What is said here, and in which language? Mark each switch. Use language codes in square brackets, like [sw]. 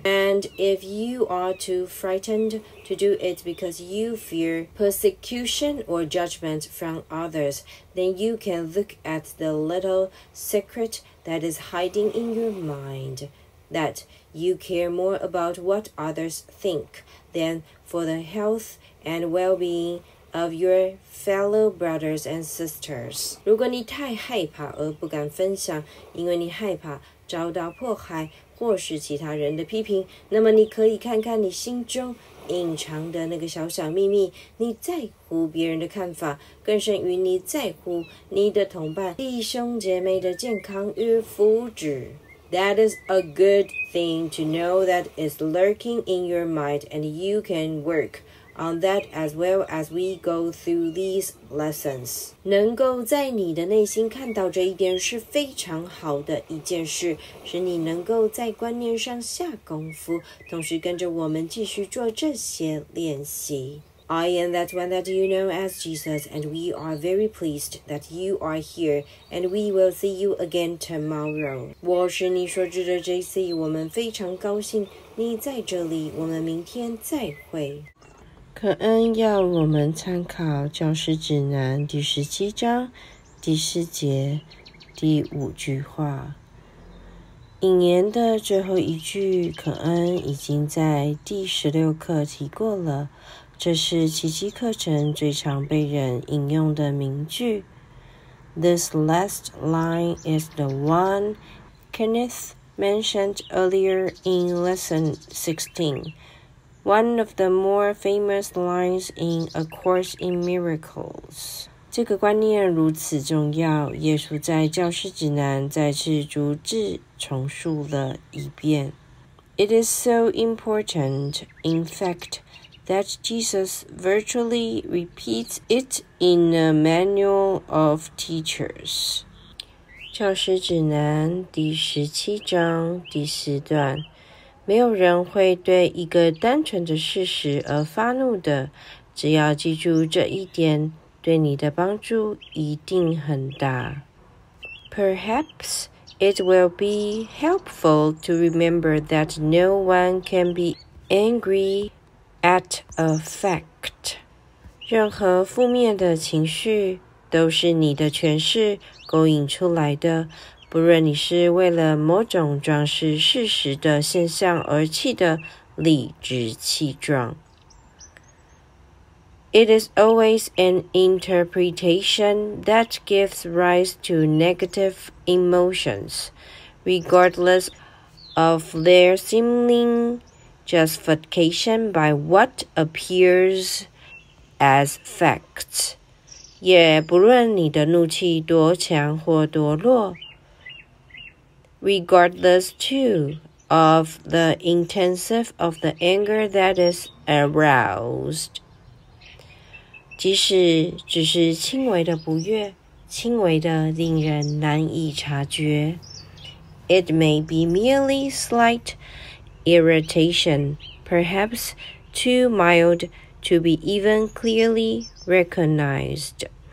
[en] And if you are too frightened to do it because you fear persecution or judgment from others, then you can look at the little secret that is hiding in your mind, that you care more about what others think than for the health and well-being of your fellow brothers and sisters. [zh] 如果你太害怕而不敢分享，因为你害怕遭到迫害或是其他人的批评，那么你可以看看你心中隐藏的那个小小秘密，你在乎别人的看法，更甚于你在乎你的同伴、弟兄姐妹的健康与福祉。 [en] That is a good thing to know that is lurking in your mind, and you can work on that as well as we go through these lessons. [zh] 能够在你的内心看到这一点是非常好的一件事，使你能够在观念上下功夫，同时跟着我们继续做这些练习。 [en] I am that one that you know as Jesus, and we are very pleased that you are here, and we will see you again tomorrow. [zh] 我是你所知的 JC, 我们非常高兴你在这里，我们明天再会。可恩要我们参考教师指南第十七章第四节第五句话。引言的最后一句，可恩已经在第十六课提过了，这是奇迹课程最常被人引用的名句。 [en] This last line is the one Kenneth mentioned earlier in lesson 16, one of the more famous lines in A Course in Miracles. [zh] 这个观念如此重要，耶稣在教师指南再次逐字重述了一遍。 [en] It is so important, in fact,that Jesus virtually repeats it in a manual of teachers. [zh] 教师指南第十七章第四段，没有人会对一个单纯的事实而发怒的，只要记住这一点，对你的帮助一定很大。 [en] Perhaps it will be helpful to remember that no one can be angryAt a fact. [zh] 任何负面的情绪都是你的诠释勾引出来的，不论你是为了某种装饰事实的现象而气得理直气壮。 [en] It is always an interpretation that gives rise to negative emotions, regardless of their seemingjustification by what appears as facts. [zh] 也不论你的怒气多强或多弱， [en] regardless too of the intensity of the anger that is aroused. [zh] 即使只是轻微的不悦，轻微的令人难以察觉， [en] it may be merely slightirritation, perhaps too mild to be even clearly recognized.